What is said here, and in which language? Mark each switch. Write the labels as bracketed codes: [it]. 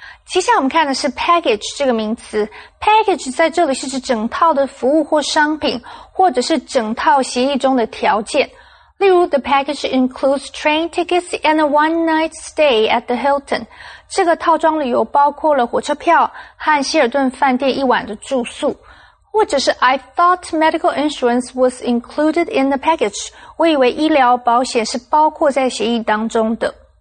[zh] 接下来我们看的是 package 这个名词。package 在这里是指整套的服务或商品，或者是整套协议中的条件。例如 [en] The package includes train tickets and a one night stay at the Hilton。 [zh] 这个套装旅游包括了火车票和希尔顿饭店一晚的住宿。或者是 [en] I thought medical insurance was included in the package。 [zh] 我以为医疗保险是包括在协议当中的。